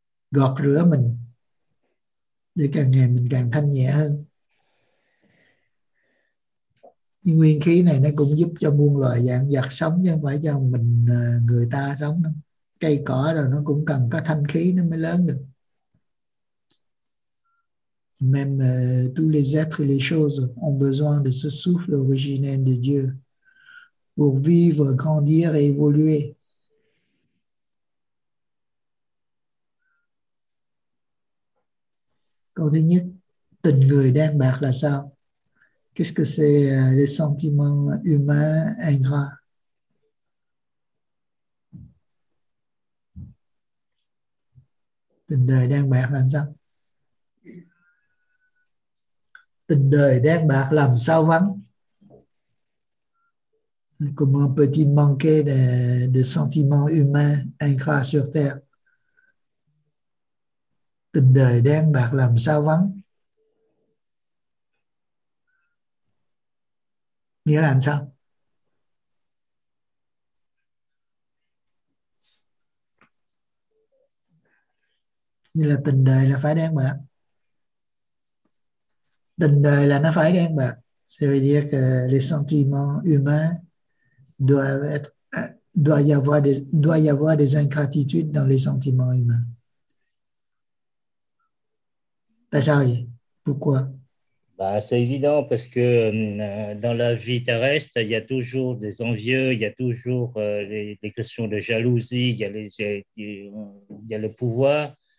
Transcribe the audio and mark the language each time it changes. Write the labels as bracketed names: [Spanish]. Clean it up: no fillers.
[Vietnamese] Gọt rửa mình để càng ngày mình càng thanh nhẹ hơn. Nguyên khí này nó cũng giúp cho muôn loài vạn vật sống, chứ không phải cho mình người ta sống. Cây cỏ rồi nó cũng cần có thanh khí nó mới lớn được. [French] Même tous les êtres et les choses ont besoin de ce souffle originel de Dieu pour vivre, grandir et évoluer. [Vietnamese] Câu thứ nhất, tình người đan bạc là sao? [French] Qu'est-ce que c'est les sentiments humains ingrats? [Vietnamese] Tình đời đan bạc là sao? Tình đời đan bạc làm sao vắng? [French] Comment peut-il manquer de sentiments humains ingrats sur terre? [Vietnamese] Tình đời đan bạc làm sao vắng? Nghĩa là làm sao? Như là tình đời là phải đen bạc. Tình đời là nó phải đen bạc. [French] Ça veut dire que les sentiments humains doivent y avoir des incertitudes dans les sentiments humains. [Vietnamese] Tại sao vậy? [French] Pourquoi? Bah, c'est évident parce que dans la vie terrestre, il y a toujours des envieux, il y a toujours des questions de jalousie, il y a le pouvoir.